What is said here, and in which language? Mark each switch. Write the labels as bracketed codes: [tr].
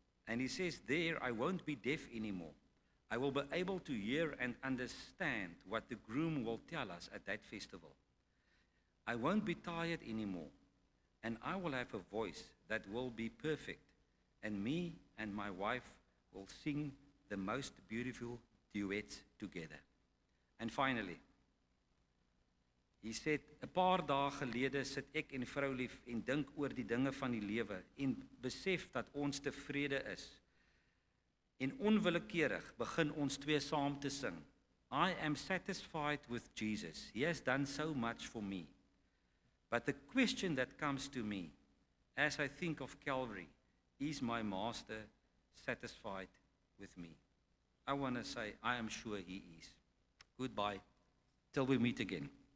[en] And he says, there I won't be deaf anymore. I will be able to hear and understand what the groom will tell us at that festival. I won't be tired anymore. And I will have a voice that will be perfect. And me and my wife will sing the most beautiful duets together. And finally, he said, [af] 'n paar dae gelede sit ek en vrou lief en dink oor die dinge van die lewe en besef dat ons tevrede is. En onwillekeurig begin ons twee saam te sing. [en] I am satisfied with Jesus. He has done so much for me. But the question that comes to me as I think of Calvary, is my master satisfied with me? I want to say, I am sure he is. Goodbye, till we meet again.